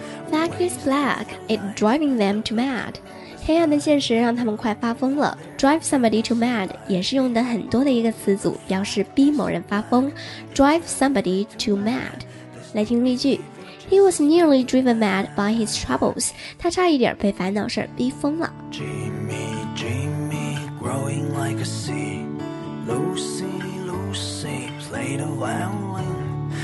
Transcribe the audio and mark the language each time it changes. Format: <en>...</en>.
<en>Fact is black, it driving them to mad.</en> <zh>黑暗的现实让他们快发疯了。</zh> <en>Drive somebody to mad</en> <zh>也是用的很多的一个词组，表示逼某人发疯。</zh> <en>Drive somebody to mad.</en> <zh>来听例句。</zh> <en>He was nearly driven mad by his troubles.</en> <zh>他差一点被烦恼事逼疯了。</zh> <en>Jimmy, Jimmy, growing like a sea. Lucy, Lucy, played a violin.</en>